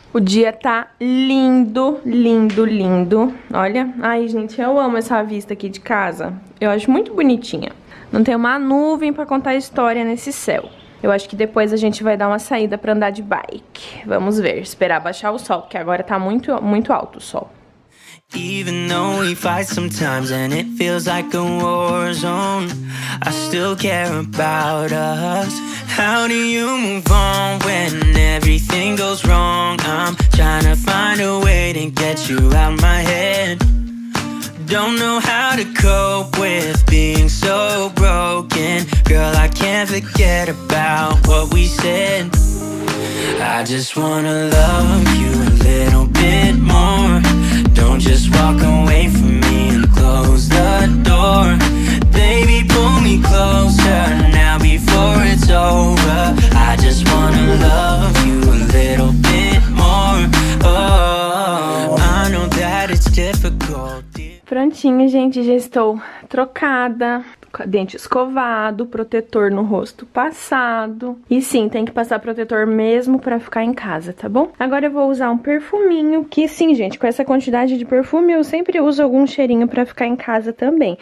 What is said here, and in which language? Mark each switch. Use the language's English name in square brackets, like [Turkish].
[Portuguese] O dia tá lindo, lindo, lindo. Olha, ai, gente, eu amo essa vista aqui de casa. Eu acho muito bonitinha. Não tem uma nuvem para contar a história nesse céu. Eu acho que depois a gente vai dar uma saída para andar de bike. Vamos ver, esperar baixar o sol, porque agora tá muito, muito alto o sol. [English] Even though we fight sometimes and it feels like a war zone, I still care about us. How do you move on when everything goes wrong? I'm trying to find a way to get you out of my head. Don't know how to cope with being so broken. Girl, I can't forget about what we said. I just wanna love you a little bit more. Don't just walk away from me and close the door. Baby, pull me closer now before it's over. I just wanna love you a little bit more. Oh, I know that it's difficult. [Portuguese] Prontinho, gente, já estou trocada, dente escovado, protetor no rosto passado. E sim, tem que passar protetor mesmo para ficar em casa, tá bom? Agora eu vou usar um perfuminho, que sim, gente, com essa quantidade de perfume eu sempre uso algum cheirinho para ficar em casa também.